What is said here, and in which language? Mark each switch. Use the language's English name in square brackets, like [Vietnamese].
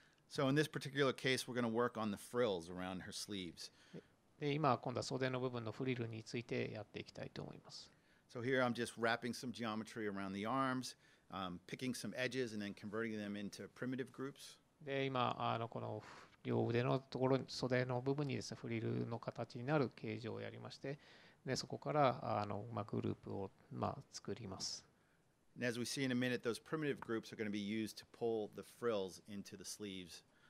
[English] So in this particular case, we're going to work on the frills around her sleeves. [Japanese] で、今は今度は袖の部分のフリルについてやっていきたいと思います。 [English] So here I'm just wrapping some geometry around the arms, picking some edges, and then converting them into primitive groups. [Japanese] で、今、あの、この両腕のところに袖の部分にですね、フリルの形になる形状をやりまして、で、そこから、あの、まあ、グループを、まあ、作ります。 [English] And as we see in a minute, those primitive groups are going to be used to pull the frills into the sleeves.